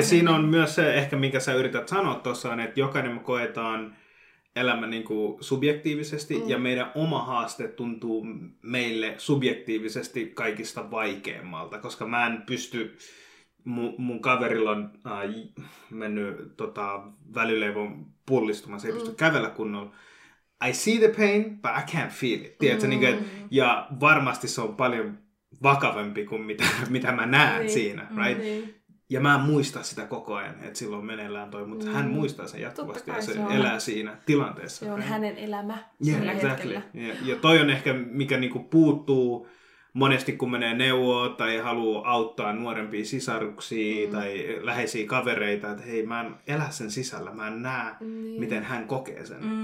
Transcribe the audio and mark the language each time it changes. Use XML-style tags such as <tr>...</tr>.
<fi>Ja siinä on myös se, ehkä minkä sä yrität sanoa tuossa, että jokainen me koetaan elämä niinku subjektiivisesti, ja meidän oma haaste tuntuu meille subjektiivisesti kaikista vaikeammalta, koska mä en pysty... Mun kaverilla on mennyt välyleivon pullistumaan, se ei pysty kävellä kunnolla.</fi> <en>I see the pain, but I can't feel it.</en> <fi>Tiedätkö, niin kuin, ja varmasti se on paljon vakavampi kuin mitä mä näen siinä.</fi> <en>Right?</en> <fi>Ja mä en muista sitä koko ajan, että silloin meneillään toi, mutta hän muistaa sen jatkuvasti ja se elää siinä tilanteessa. Se on hänen elämä sillä hetkellä. Ja toi on ehkä, mikä niinku puuttuu. Monesti kun menee neuvoa tai haluaa auttaa nuorempia sisaruksia tai läheisiä kavereita, että hei, mä en elä sen sisällä, mä en näe, miten hän kokee sen.</fi>